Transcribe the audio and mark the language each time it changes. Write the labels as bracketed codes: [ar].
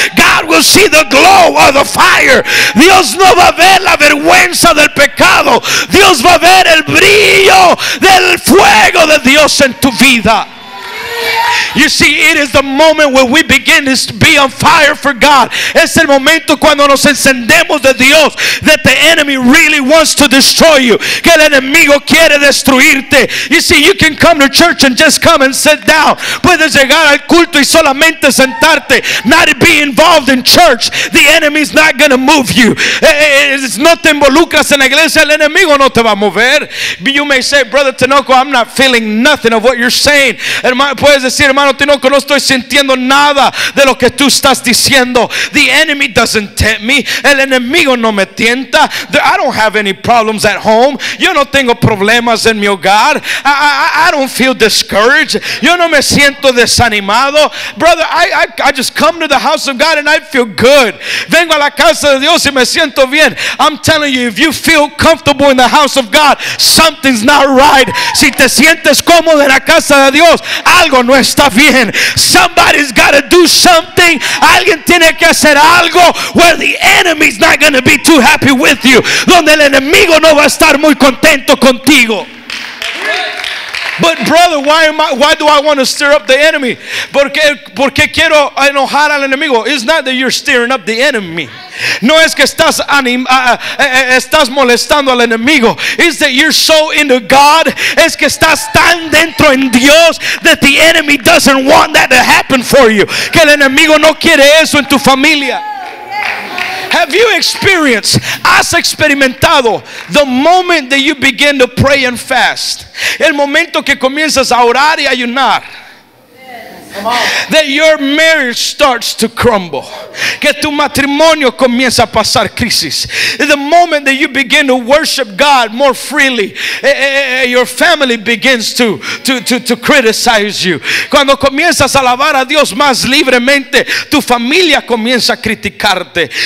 [en] God will see the glow of the fire. [es] Dios no va a ver la vergüenza del pecado. Dios va a ver el brillo del fuego de Dios en tu vida. [en] You see, it is the moment when we begin to be on fire for God. [es] Es el momento cuando nos encendemos de Dios, [en] that the enemy really wants to destroy you. [es] Que el enemigo quiere destruirte. [en] You see, you can come to church and just come and sit down. [es] Puedes llegar al culto y solamente sentarte. [en] Not be involved in church. The enemy is not going to move you. It's [es] no te involucras en la iglesia. El enemigo no te va a mover. [en] You may say, Brother Tinoco, I'm not feeling nothing of what you're saying. [es] Puedes decir, hermano Tinoco, no estoy sintiendo nada de lo que tú estás diciendo. [en] The enemy doesn't tempt me. [es] El enemigo no me tienta. [en] I don't have any problems at home. [es] Yo no tengo problemas en mi hogar. [en] I don't feel discouraged. [es] Yo no me siento desanimado. [en] Brother, I just come to the house of God and I feel good. [es] Vengo a la casa de Dios y me siento bien. [en] I'm telling you, if you feel comfortable in the house of God, something's not right. [es] Si te sientes cómodo en la casa de Dios, algo no está bien. [en] Somebody's got to do something. [es] Alguien tiene que hacer algo. [en] Where the enemy's not going to be too happy with you. [es] Donde el enemigo no va a estar muy contento contigo. [en] But brother, why do I want to stir up the enemy? [es] Porque quiero enojar al enemigo. [en] It's not that you're stirring up the enemy. [es] No es que estás molestando al enemigo. [en] It's that you're so into God. [es] Es que estás tan dentro en Dios [en] that the enemy doesn't want that to happen for you. [es] Que el enemigo no quiere eso en tu familia. [en] Have you experienced, [es] has experimentado, [en] the moment that you begin to pray and fast, [es] el momento que comienzas a orar y ayunar, [en] that your marriage starts to crumble, [es] que tu matrimonio comienza a pasar crisis, [en] the moment that you begin to worship God more freely, your family begins to criticize you, [es] cuando comienzas a alabar a Dios más libremente, tu familia comienza a criticarte.